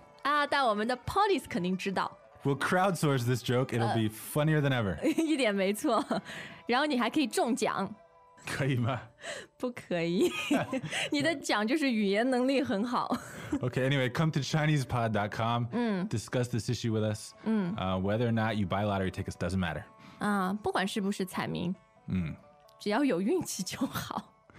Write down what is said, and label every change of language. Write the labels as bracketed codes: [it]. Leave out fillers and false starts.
[zh] 啊，但我们的 Polis 肯定知道。 [en] We'll crowdsource this joke. It'll be funnier than ever. [zh] 一点没错。然后你还可以中奖。可以吗？不可以。你的奖就是语言能力很好。 [en] Okay, anyway, come to ChinesePod.com. Discuss this issue with us. Whether or not you buy lottery tickets doesn't matter. [zh] 啊，不管是不是彩民，只要有运气就好。